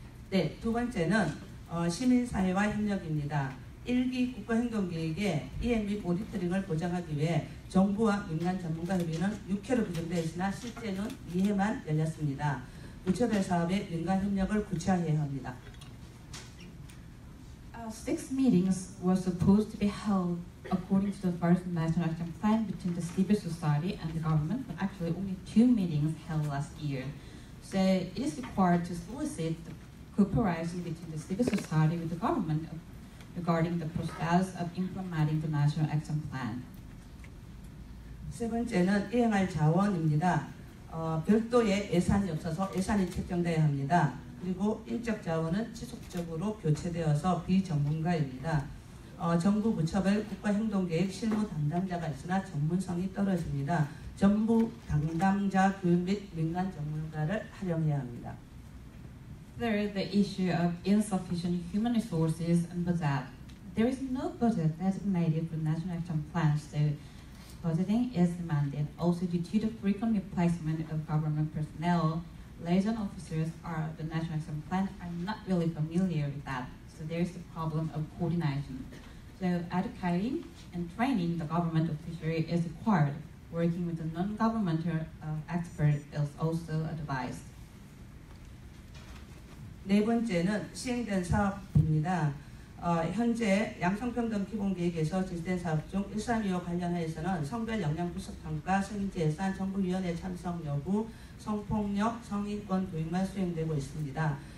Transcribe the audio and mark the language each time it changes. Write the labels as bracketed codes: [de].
[ko] 네, 두 번째는 시민사회와 협력입니다. 1기 국가행동계획의 EMB 모니터링을 보장하기 위해 정부와 민간 전문가 협의는 6회로 규정되었으나 실제는 2회만 열렸습니다. 부처별 사업의 민간 협력을 구체화해야 합니다. [en] 6 meetings were supposed to be held according to the first National Action Plan between the civil society and the government, but actually only 2 meetings held last year. So it is required to solicit the cooperation between the civil society with the government regarding the process of implementing the National Action Plan. [ko] 세 번째는 이행할 자원입니다. 별도의 예산이 없어서 예산이 책정돼야 합니다. 그리고 일적 자원은 지속적으로 교체되어서 비전문가입니다. 정부 부처별 국가행동계획 실무 담당자가 있으나 전문성이 떨어집니다. 정부 담당자 교육 및 민간 전문가를 활용해야 합니다. [en] There is the issue of insufficient human resources and budget. There is no budget designated for national action plans, so budgeting is demanded. Also, due to the frequent replacement of government personnel, liaison officers are the National Action Plan are not really familiar with that, so there is the problem of coordination. So educating and training the government official is required. Working with the non-governmental expert is also advised. [ko] 네 번째는 시행된 사업입니다. 현재 양성평등 기본계획에서 제시된 사업 중 1325 관련해서는 성별 역량 분석 평가, 성인지 예산, 정부위원회 참석 여부, 성폭력, 성인권 도입만 수행되고 있습니다.